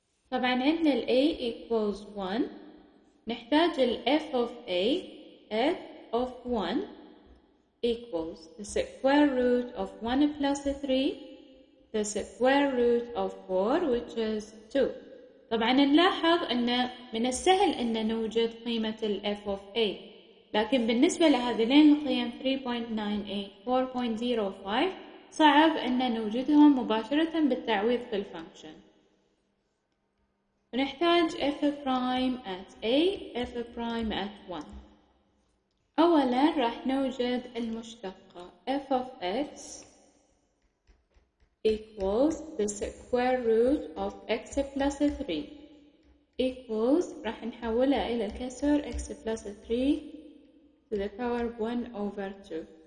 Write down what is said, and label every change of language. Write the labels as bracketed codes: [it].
[ar] طبعاً عندنا ال [en] a equals 1, [ar] نحتاج ال [en] f of a, f of 1 equals the square root of 1 plus 3, the square root of 4 which is 2. [ar] طبعا نلاحظ ان من السهل ان نوجد قيمة ال f of a, لكن بالنسبة لهذين القيم 3.98 4.05 صعب ان نوجدهم مباشرة بالتعويض في الفانكشن. نحتاج [en] f prime at a, f prime at 1. [ar] اولا راح نوجد المشتقة [en] f of x equals the square root of x plus 3 equals, [ar] راح نحولها إلى الكسر, [en] x plus 3 to the power 1 over 2.